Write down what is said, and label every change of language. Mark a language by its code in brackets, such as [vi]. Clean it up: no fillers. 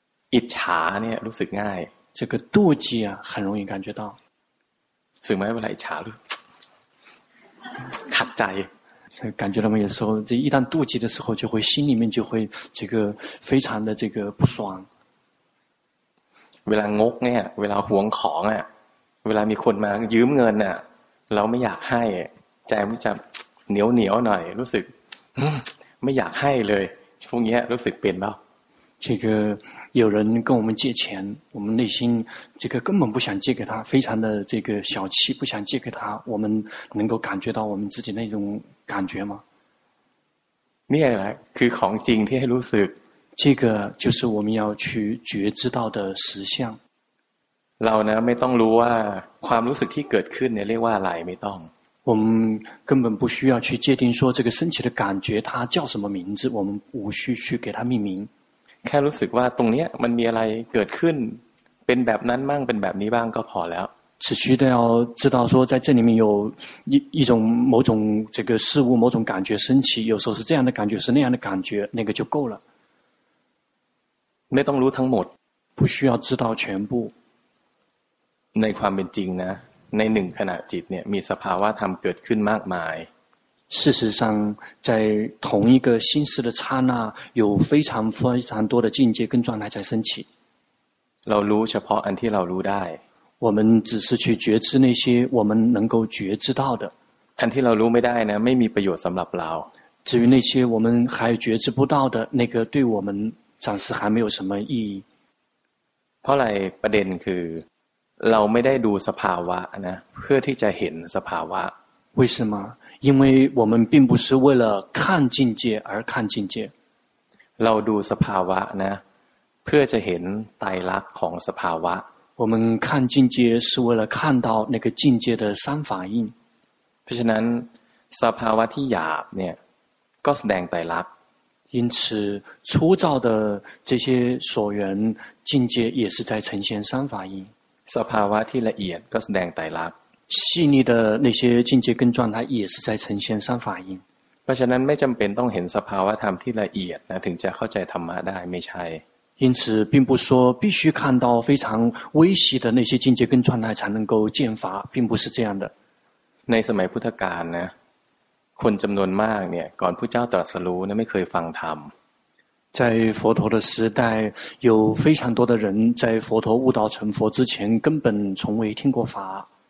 [th] อิจฉาเนี่ยรู้สึกง่าย [zh] 这个妒忌啊很容易感觉到 [th] รู้สึกไหมเวลาอิจฉาขัดใจ [zh] 感觉到没有时候这一旦妒忌的时候就会心里面就会这个非常的这个不爽 [th] เวลางกเนี่ยเวลาหวงของอ่ะเวลามีคนมายืมเงินอ่ะเราไม่อยากให้ใจมันจะเหนียวเหนียวหน่อยรู้สึกไม่อยากให้เลยช่วงนี้รู้สึกเป็นเปล่า [zh] 这个有人跟我们借钱我们内心这个根本不想借给他非常的这个小气不想借给他我们能够感觉到我们自己那种感觉吗 [th] นี่แหละคือของจริงที่ให้รู้สึก [zh] 这个就是我们要去觉知到的实相 [th] เรานะไม่ต้องรู้ว่าความรู้สึกที่เกิดขึ้นเนี่ยเรียกว่าอะไรไม่ต้อง [zh] 我们根本不需要去界定说这个升起的感觉它叫什么名字我们无需去给它命名 [th] แค่รู้สึกว่าตรงเนี้ยมันมีอะไรเกิดขึ้นเป็นแบบนั้นบ้างเป็นแบบนี้บ้างก็พอแล้ว [zh] 只需要知道说在这里面有一种某种这个事物某种感觉升起有时候是这样的感觉是那样的感觉那个就够了 [th] ไม่ต้องรู้ทั้งหมด [zh] 不需要知道全部 [th] ในความเป็นจริงนะในหนึ่งขณะจิตเนี่ยมีสภาวะธรรมเกิดขึ้นมากมาย [zh] 事实上在同一个心识的刹那有非常非常多的境界跟状态在升起 [th] เรารู้เฉพาะอันที่เรารู้ได้ [zh] 我们只是去觉知那些我们能够觉知到的 [th] อันที่เรารู้ไม่ได้นะไม่มีประโยชน์สำหรับเรา [zh] 至于那些我们还觉知不到的那个对我们暂时还没有什么意义。 [th] เพราะอะไรประเด็นคือเราไม่ได้ดูสภาวะนะเพื่อที่จะเห็นสภาวะ [zh] 为什么因为我们并不是为了看境界而看境界 [th] เราดูสภาวะนะเพื่อจะเห็นไตรลักษณ์ของสภาวะ [zh] 我们看境界是为了看到那个境界的三法印 [th] เพราะฉะนั้นสภาวะที่หยาบเนี่ยก็แสดงไตรลักษณ์ [zh] 因此粗糙的这些所缘境界也是在呈现三法印 [th] สภาวะที่ละเอียดก็แสดงไตรลักษณ์ [zh] 细腻的那些境界跟状态也是在呈现三法印 [th] เพราะฉะนั้นไม่จำเป็นต้องเห็นสภาวะธรรมที่ละเอียดนะถึงจะเข้าใจธรรมะได้ไม่ใช่ [zh] 因此并不说必须看到非常微细的那些境界跟状态才能够见法并不是这样的 [th] ในสมัยพุทธกาลนะคนจำนวนมากเนี่ยก่อนพระเจ้าตรัสรู้เนี่ยไม่เคยฟังธรรม [zh] 在佛陀的时代有非常多的人在佛陀悟道成佛之前根本从未听过法